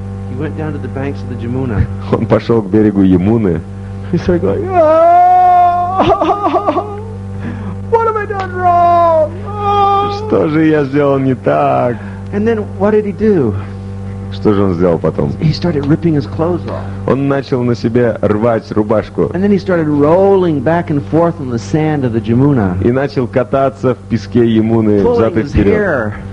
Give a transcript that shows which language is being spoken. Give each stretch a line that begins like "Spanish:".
English: He went down to the banks of the Jamuna.
Russian: Он пошел к берегу Ямуны.
English: He started going, what have I done wrong?
Russian: Что же я сделал не так?
English: And then what did he do?
Russian: Что же он сделал потом?
English: He started ripping his clothes off.
Russian: Он начал на себе рвать рубашку.
English: And then he started rolling back and forth on the sand of the Jamuna.
Russian: И начал кататься в песке Ямуны взад и вперед.